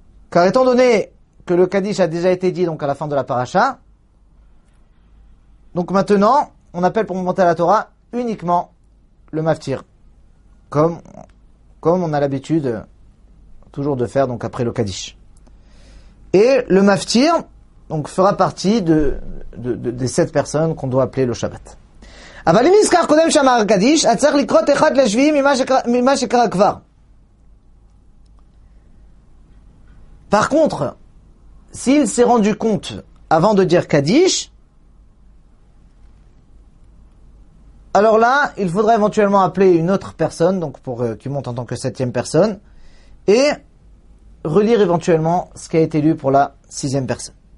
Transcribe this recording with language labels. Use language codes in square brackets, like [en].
[fr] Car étant donné que le Kaddish a déjà été dit donc à la fin de la paracha, donc maintenant, on appelle pour monter à la Torah uniquement le Maftir, comme on a l'habitude toujours de faire donc après le Kaddish. Et le Maftir donc fera partie des sept personnes qu'on doit appeler le Shabbat. [he] אבל אם נזכר קודם שאמר קדיש, אז צריך לקרות אחד לשביעי ממה שקרה כבר. [fr] Par contre, s'il s'est rendu compte avant de dire Kaddish, alors là, il faudrait éventuellement appeler une autre personne, donc pour qui monte en tant que septième personne, et relire éventuellement ce qui a été lu pour la sixième personne.